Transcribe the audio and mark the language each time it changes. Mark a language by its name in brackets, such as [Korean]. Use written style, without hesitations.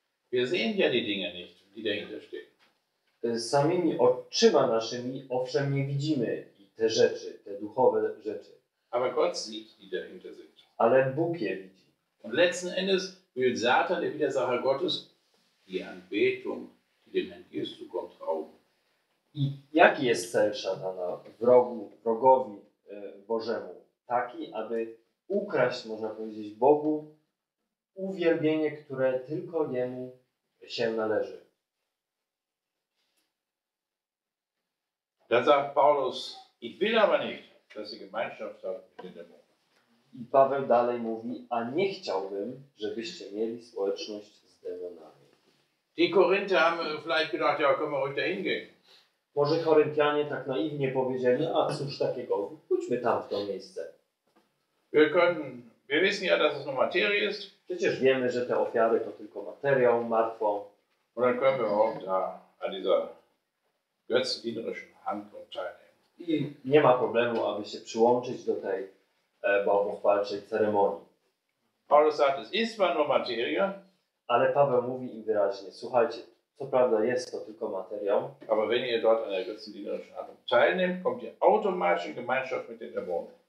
[German] Wir sehen ja die Dinge nicht, die dahinter stehen. [Polish] Samimi oczyma naszymi, owszem, nie widzimy te rzeczy, te duchowe rzeczy. [German] Aber Gott sieht, die dahinter sind. [Polish] Ale Bóg je widzi. [German] Und letzten Endes will Satan, der Widersacher Gottes, die Anbetung, die dem Herrn Jesus kommt, rauben. [Polish] I jaki jest cel szatana wrogowi Bożemu? Taki, aby ukraść, można powiedzieć, Bogu uwielbienie, które tylko Jemu się należy. [German] Dann sagt Paulus, ich will aber nicht, dass die Gemeinschaft hat mit den Dämonen. [Polish] I Paweł dalej mówi, a nie chciałbym, żebyście mieli społeczność z demonami. [German] Die Korinther haben vielleicht gedacht, ja, können wir ruhig dahin gehen. [Polish] Może Koryntianie tak naiwnie powiedzieli, a cóż takiego, pójdźmy tam w to miejsce. [German] Wir können, wir wissen ja, dass es nur Materie ist. [Polish] Przecież wiemy, że te ofiary to tylko materiał martwą. [German] Und dann können wir auch da an dieser götzendienerischen Handlung teilnehmen. [Polish] I nie ma problemu, aby się przyłączyć do tej bałwochwalczej ceremonii. [German] Paulus sagt, es ist zwar nur Materie. [Polish] Ale Paweł mówi im wyraźnie, słuchajcie, co prawda jest to tylko materiał. [German] Aber wenn ihr dort an der götzendienerischen Handlung teilnehmt, kommt ihr automatisch in Gemeinschaft mit den Dämonen.